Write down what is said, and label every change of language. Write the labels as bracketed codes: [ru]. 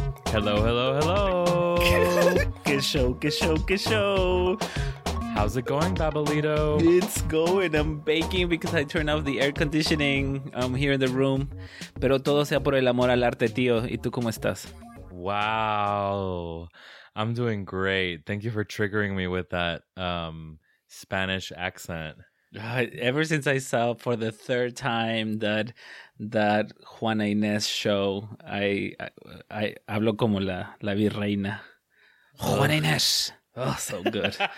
[en] Hello, hello, hello. Good show. How's it going, Babelito? It's going. I'm baking because I turned off the air conditioning here in the room. [es] Pero todo sea por el amor al arte, tío. ¿Y tú cómo estás? [en] Wow. I'm doing great. Thank you for triggering me with that Spanish accent. Ever since I saw for the third time that Juana Inés show, I [es] hablo como la virreina. [en] Juana Inés. Oh, so good.